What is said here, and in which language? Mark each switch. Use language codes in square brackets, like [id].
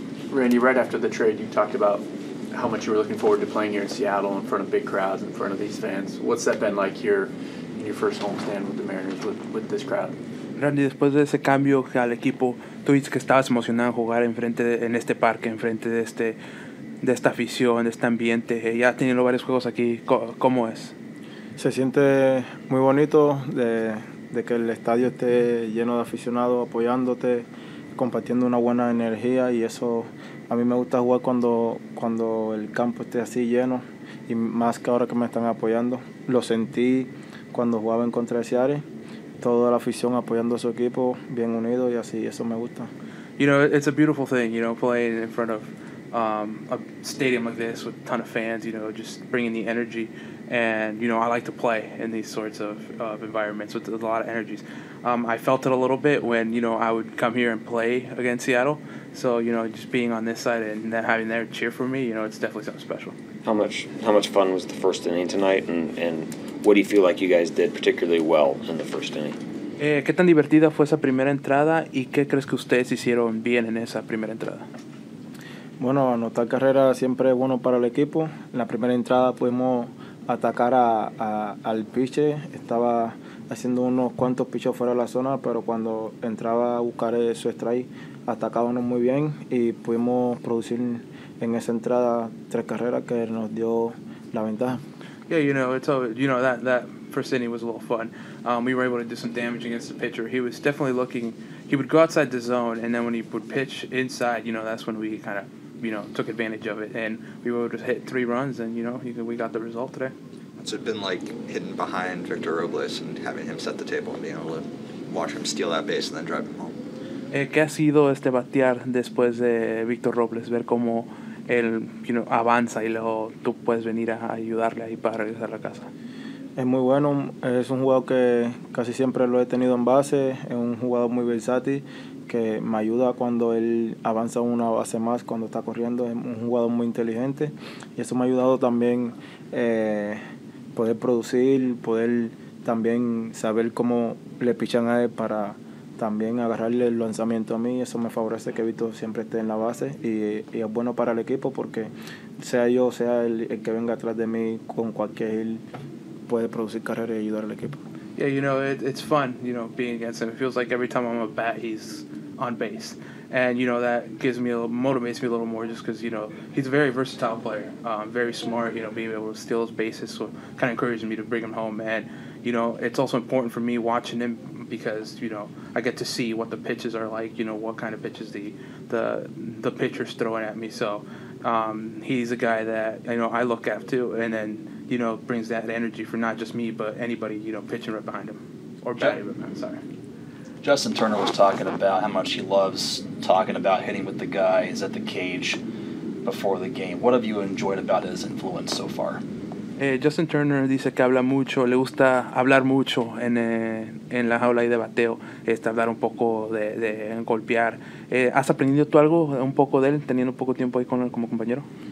[en] Randy, right after the trade, you talked about how much you were looking forward to playing here in Seattle in front of big crowds, in front of these fans. What's that been like here in your first homestand with the Mariners, with this crowd? [es] Randy, después de ese cambio al equipo, tú dices que estabas emocionado en jugar en este parque, en frente de esta afición, de este ambiente. Ya has tenido varios juegos aquí. ¿Cómo es? Se siente muy bonito de que el estadio esté lleno de aficionados apoyándote, compartiendo una buena energía, y eso a mí me gusta jugar cuando el campo esté así lleno, y más que ahora que me están apoyando. Lo sentí cuando jugaba en contra de Seattle, toda la afición apoyando a su equipo, bien unido, y así, eso me gusta. [en] You know, it's a beautiful thing, you know, playing in front of a stadium like this with a ton of fans, you know, just bringing the energy. And, you know, I like to play in these sorts of environments with a lot of energies. I felt it a little bit when, you know, I would come here and play against Seattle. So, you know, just being on this side and then having their cheer for me, you know, it's definitely something special. How much fun was the first inning tonight? And what do you feel like you guys did particularly well in the first inning? [es] ¿Qué tan divertida fue esa primera entrada? ¿Y qué crees que ustedes hicieron bien en esa primera entrada? Bueno, anotar carrera siempre es bueno para el equipo. En la primera entrada pudimos atacar al piche. Estaba haciendo unos cuantos piches fuera de la zona, pero cuando entraba a buscar su strike, atacábamos muy bien y pudimos producir en esa entrada tres carreras que nos dio la ventaja. [en] Yeah, you know, that first inning was a little fun. We were able to do some damage against the pitcher. He was definitely looking. He would go outside the zone, and then when he would pitch inside, you know, that's when we kind of, you know, took advantage of it, and we were able to hit three runs, and you know, we got the result today. What's it been like hitting behind Victor Robles and having him set the table and being able to watch him steal that base and then drive him home? [es] ¿Qué ha sido este batear después de Victor Robles? Ver cómo él, [en] you know, [es] avanza y luego tú puedes venir a ayudarle ahí para regresar a la casa. Es muy bueno, es un jugador que casi siempre lo he tenido en base, es un jugador muy versátil que me ayuda cuando él avanza una base más, cuando está corriendo, es un jugador muy inteligente y eso me ha ayudado también poder producir, poder también saber cómo le pichan a él para también agarrarle el lanzamiento a mí. Eso me favorece que Vito siempre esté en la base y es bueno para el equipo porque sea yo, sea el que venga atrás de mí con cualquier él, puede producir carrera y ayudar al equipo. [en] Yeah, you know, it's fun, you know, being against him. It feels like every time I'm a bat, he's on base. And, you know, that gives me motivates me a little more just because, you know, he's a very versatile player, very smart, you know, being able to steal his bases. So kind of encouraging me to bring him home. And, you know, it's also important for me watching him because, you know, I get to see what the pitches are like, you know, what kind of pitches the pitcher's throwing at me. So he's a guy that, you know, I look at too. And then, you know, brings that energy for not just me, but anybody, you know, pitching right behind him. Or batting right behind him, sorry. Justin Turner was talking about how much he loves talking about hitting with the guys at the cage before the game. What have you enjoyed about his influence so far? [es] Justin Turner dice que habla mucho, le gusta hablar mucho en la jaula y de bateo, hablar un poco de golpear. ¿Has aprendido tú algo un poco de él, teniendo poco tiempo ahí con él como compañero?